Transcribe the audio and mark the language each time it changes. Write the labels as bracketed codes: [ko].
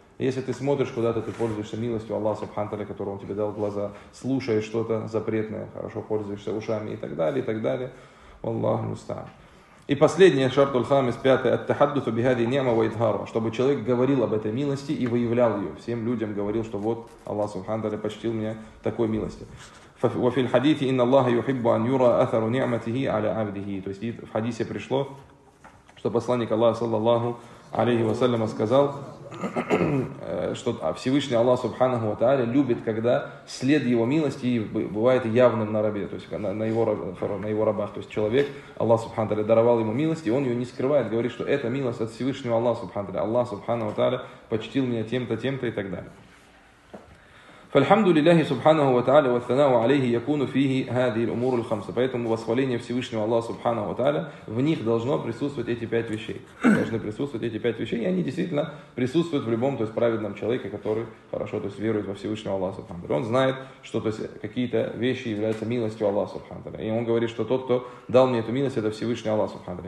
[ru] Если ты смотришь куда-то, ты пользуешься милостью Аллаха Субхану Тааля, которого Он тебе дал глаза, слушаешь что-то запретное, хорошо пользуешься ушами и так далее, и так далее. Аллаху мустаан. И последнее, шартул хамис, пятое, [ar] ат-тахаддусу бихадзихи ни'ма ва идхару, [ru] чтобы человек говорил об этой милости и выявлял ее. Всем людям говорил, что вот Аллах Субхану Тааля почтил меня такой милости. [ar] وفي الحديث إن الله يحب أن يرى أثر نعمته على عبده. [ru] То есть в хадисе пришло, что посланник Аллаха саллаллаху алейхи ва саллям сказал, что Всевышний Аллах Субханаху ва Тааля любит, когда след его милости бывает явным на рабе, то есть на его рабах. То есть человек, Аллах Субхану Тааля даровал ему милость, и он ее не скрывает, говорит, что это милость от Всевышнего Аллаха Субхану Тааля. Аллах Субханаху ва Тааля почтил меня тем-то, тем-то и так далее. [ar] فالحمد لله سبحانه وتعالى والثناء عليه يكون فيه هذه الأمور الخمسة. [ru] Поэтому восхваление Всевышнего Аллаха سبحانه وتعالى в них должно присутствовать эти пять вещей. Должны присутствовать эти пять вещей, и они действительно присутствуют в любом, то есть праведном человеке, который хорошо, то есть верует во Всевышнего Аллаха سبحانه وتعالى. Он знает, что то есть какие-то вещи являются милостью Аллаха سبحانه وتعالى. И он говорит, что тот, кто дал мне эту милость, это Всевышний Аллах سبحانه وتعالى.